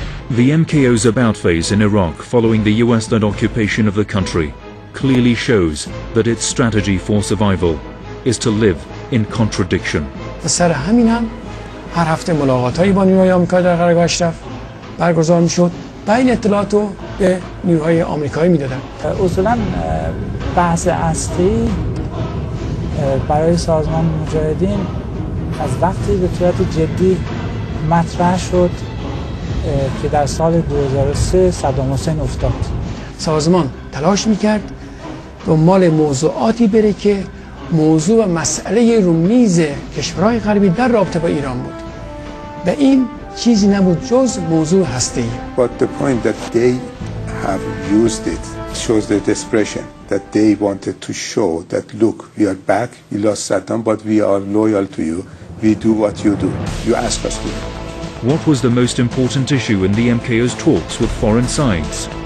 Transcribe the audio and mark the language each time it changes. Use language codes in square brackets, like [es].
[en] The MKO's about face in Iraq following the US-led occupation of the country clearly shows that its strategy for survival is to live in contradiction. [fa] سر همینم هر هفته ملاقات‌هایی با نیروهای آمریکا در قره اشرف برگزار می‌شد. بین اطلاعات رو به نیروهای آمریکایی می‌دادن. اصولاً بحث اصلی برای سازمان مجاهدین از وقتی به صورت جدی مطرح شد که در سال 2003 صدام حسین افتاد. سازمان تلاش میکرد دنبال موضوعاتی بره که موضوع و مسئله رومیز کشورهای غربی در رابطه با ایران بود. به این چیزی نبود جز موضوع هسته‌ای. [en] But the point that they have used it shows the desperation that they wanted to show that look we are back, we lost Saddam but we are loyal to you, we do what you do, you ask us to. What was the most important issue in the MKO's talks with foreign sides?